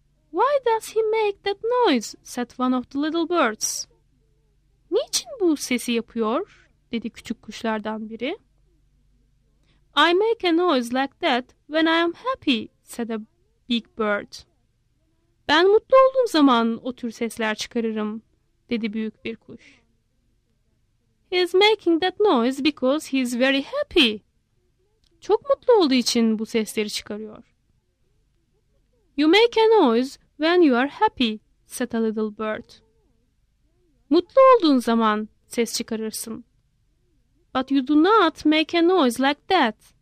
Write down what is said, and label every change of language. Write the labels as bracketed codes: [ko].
[en] Why does he make that noise? Said one of the little birds. [tr] Niçin bu sesi yapıyor? Dedi küçük kuşlardan biri. [en] I make a noise like that when I am happy, said a big bird. [tr] Ben mutlu olduğum zaman o tür sesler çıkarırım, dedi büyük bir kuş. [en] He is making that noise because he is very happy. [tr] Çok mutlu olduğu için bu sesleri çıkarıyor. [en] You make a noise when you are happy, said a little bird. [tr] Mutlu olduğun zaman ses çıkarırsın. [en] But you do not make a noise like that.